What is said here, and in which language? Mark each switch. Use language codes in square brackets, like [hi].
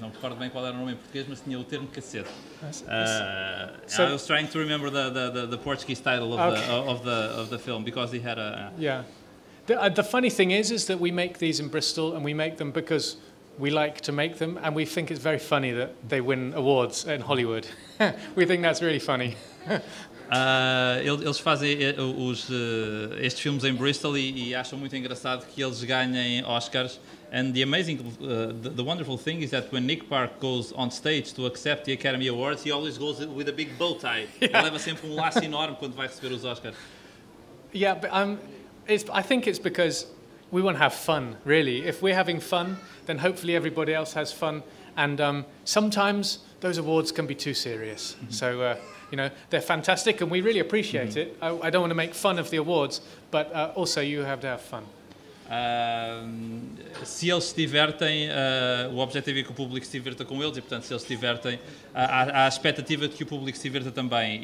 [pt] Não recordo bem qual era o nome em português, mas tinha o termo cacete. [en] I was trying to remember the Portuguese title of the film, because he had a... The funny thing is that we make these in Bristol, and we make them because... We like to make them, and we think it's very funny that they win awards in Hollywood. We think that's really funny. [pt] Eles fazem estes filmes em Bristol e acham muito engraçado que eles ganhem Oscars. [en] And the amazing, the wonderful thing is that when Nick Park goes on stage to accept the Academy Awards, he always goes with a big bow tie. Yeah. [pt] Ele leva sempre laço enorme quando vai receber os Oscars. [en] Yeah, but I think it's because we want to have fun, really. If we're having fun, then hopefully everybody else has fun. And sometimes those awards can be too serious. Mm-hmm. So, they're fantastic and we really appreciate it. I don't want to make fun of the awards, but also you have to have fun. [pt] Se eles se divertem, o objetivo é que o público se divirta com eles, e portanto se eles se divertem, há a expectativa de que o público se divirta também.